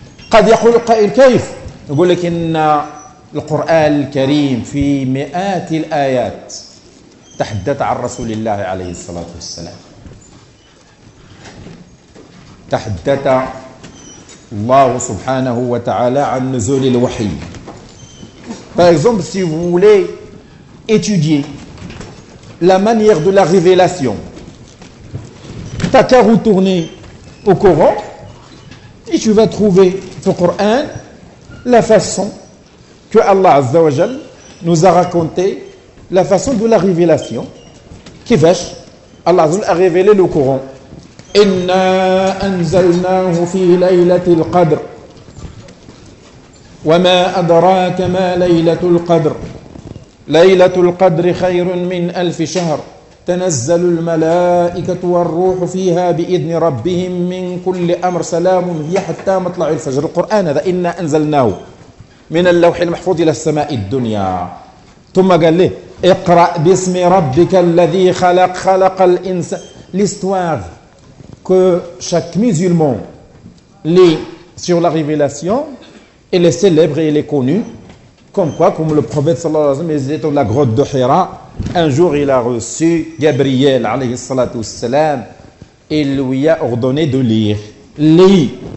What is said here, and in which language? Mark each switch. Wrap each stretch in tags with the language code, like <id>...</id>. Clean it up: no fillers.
<ar>قد يقول القائل كيف؟ يقول لك إن القرآن الكريم في مئات الآيات تحدث عن رسول الله عليه الصلاة والسلام. تحدث الله سبحانه وتعالى عن نزول الوحي.</ar> <fr>Par exemple, si vous voulez étudier la manière de la révélation, t'as qu'à retourner au Coran et tu vas trouver au Coran la façon que Allah Azza wa Jal nous a raconté la façon de la révélation. Qui fait Allah Azza wa Jal a révélé le Coran.</fr> <ar>Inna anzalnahu fi laylatil qadr wa ma adraka ma laylatul qadr laylatul qadr khayrun min alf shahr تنزل الملائكة والروح فيها بإذن ربهم من كل أمر سلام هي حتى مطلع الفجر. القرآن هذا إنا أنزلناه من اللوح المحفوظ إلى السماء الدنيا. ثم قال له اقرأ باسم ربك الذي خلق خلق الإنسان.</ar> <fr>L'histoire que chaque musulman lit sur la révélation, elle est célèbre et elle est connue. Comme quoi, comme le prophète sallallahu alayhi wa sallam, ils étaient dans la grotte de Hira. Un jour, il a reçu Gabriel alayhi salatu wassalam et il lui a ordonné de lire. Lis.</fr>